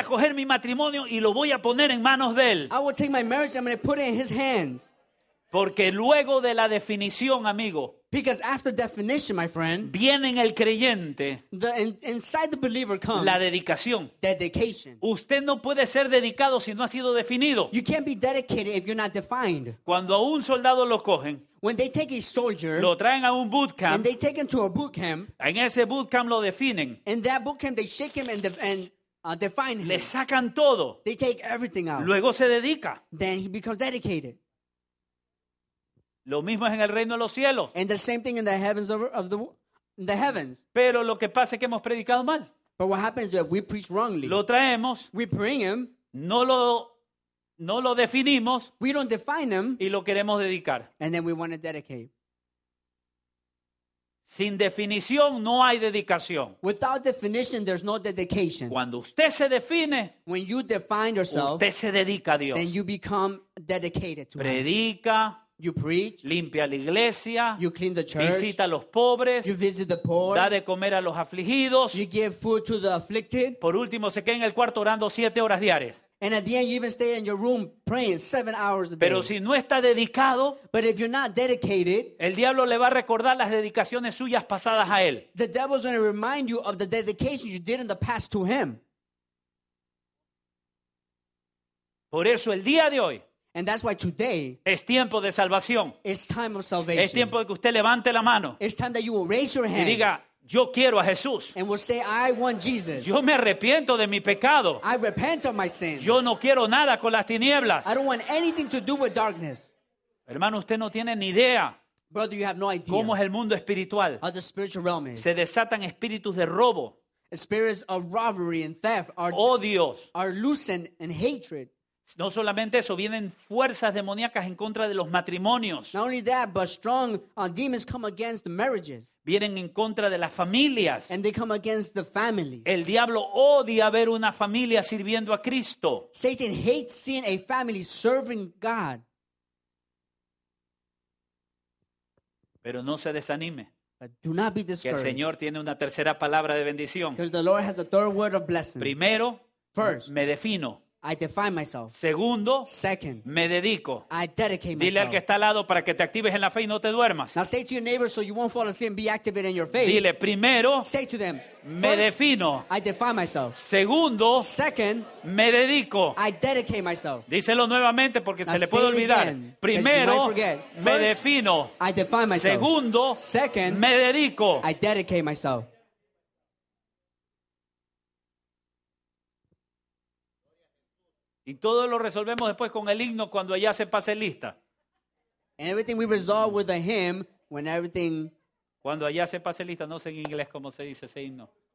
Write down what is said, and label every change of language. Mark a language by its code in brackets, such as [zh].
[es] A coger mi matrimonio y lo voy a poner en manos de él. [en] I will take my marriage and I'm going to put it in his hands. [es] Porque luego de la definición, amigo, [en] because after definition, my friend, [es] viene en el creyente, [en] inside the believer comes [es] la dedicación. [en] Dedication. [es] Usted no puede ser dedicado si no ha sido definido. [en] You can't be dedicated if you're not defined. [es] Cuando a un soldado lo cogen, [en] when they take a soldier, [es] lo traen a un bootcamp, [en] and they take him to a bootcamp, [es] en ese bootcamp lo definen, [en] in that bootcamp they shake him define him. [es] Le sacan todo. [en] They take everything out. [es] Luego se dedica. [en] Then he becomes dedicated. [es] Lo mismo es en el reino de los cielos. [en] And the same thing in the heavens in the heavens. [es] Pero lo que pasa es que hemos predicado mal. [en] But what happens is that we preach wrongly. [es] Lo traemos. [en] We bring him. [es] No lo definimos. [en] We don't define him. [es] Y lo queremos dedicar. [en] And then we want to dedicate. [es] Sin definición no hay dedicación. [en] Without definition, there's no dedication. [es] Cuando usted se define, [en] when you define yourself, [es] usted se dedica a Dios. [en] Then you become dedicated to [es] Predica, [en] him. You preach, [es] limpia la iglesia, [en] you clean the church, [es] visita a los pobres, [en] you visit the poor, [es] da de comer a los afligidos, [en] you give food to the afflicted. [es] Por último, se queda en el cuarto orando 7 horas diarias. [en] And at the end, you even stay in your room praying 7 hours a day. [es] Pero si no está dedicado, [en] but if you're not dedicated, [es] el diablo le va a recordar las dedicaciones suyas pasadas a él. [en] The devil's going to remind you of the dedication you did in the past to him. [es] Por eso el día de hoy, [en] and that's why today, [es] es tiempo de salvación. [en] It's time of salvation. [es] Es tiempo de que usted levante la mano. [en] It's time that you will raise your hand. [es] Y diga, yo quiero a Jesús. [en] And we'll say, I want Jesus. [es] Yo me arrepiento de mi pecado. [en] I repent of my sin. [es] Yo no quiero nada con las tinieblas. [en] I don't want anything to do with darkness. [es] Hermano, usted no tiene ni idea. [en] Brother, you have no idea. [es] ¿Cómo es el mundo espiritual? [en] How the spiritual realm is. [es] Se desatan espíritus de robo. [en] Spirits of robbery and theft are, [es] odios. [en] Are loosened and hatred. [es] No solamente eso, vienen fuerzas demoníacas en contra de los matrimonios. [en] Not only that, but strong demons come against the marriages. [es] Vienen en contra de las familias. [en] And they come against the families. [es] El diablo odia ver una familia sirviendo a Cristo. [en] Satan hates seeing a family serving God. [es] Pero no se desanime. [en] But do not be discouraged. [es] Que el Señor tiene una tercera palabra de bendición. [en] Because the Lord has a third word of blessing. [es] Primero, [en] first, [es] me defino. [en] I define myself. [es] Segundo, [en] second, [es] me dedico. [en] I dedicate [es] Dile [en] myself. [es] Dile al que está al lado para que te actives en la fe y no te duermas. [en] Now say to your neighbor so you won't fall asleep and be activated in your faith. [es] Dile primero, [en] say to them, [es] me defino. [en] I define myself. [es] Segundo, [en] second, [es] me dedico. [en] I dedicate myself. [es] Díselo nuevamente porque [en] Now [es] se le puede olvidar. [en] Again, [es] primero, [en] first, [es] me defino. [en] I define myself. [es] Segundo, [en] second, [es] me dedico. [en] I dedicate myself. [es] Y todo lo resolvemos después con el himno cuando allá se pase lista. [en] And everything we resolve with a hymn when everything... [es] Cuando allá se pase lista, no sé en inglés cómo se dice ese himno.